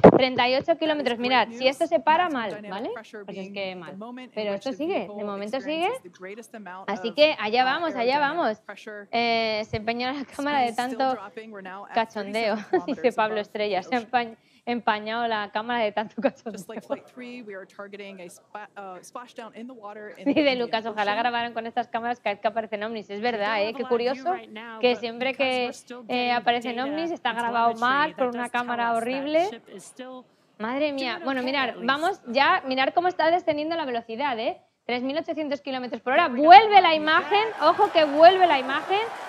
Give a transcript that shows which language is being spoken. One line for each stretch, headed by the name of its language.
Spanish: 38 kilómetros, mirad, si esto se para mal, ¿vale? Pues es que mal. Pero esto sigue, de momento sigue. Así que allá vamos, allá vamos. Se empeña la cámara de tanto cachondeo, dice Pablo Estrella. empañado la cámara de tanto cachondeo.
English: Just like Flight 3, we are targeting a splashdown in the water.
Spanish: Sí, de Lucas, ojalá grabaran con estas cámaras cada vez que aparecen ovnis. Es verdad, ¿eh? Qué curioso que siempre que aparecen ovnis está grabado mal por una cámara horrible. Madre mía. Bueno, mirar, vamos ya, mirar cómo está descendiendo la velocidad, ¿eh? 3.800 kilómetros por hora. Vuelve la imagen, ojo que vuelve la imagen.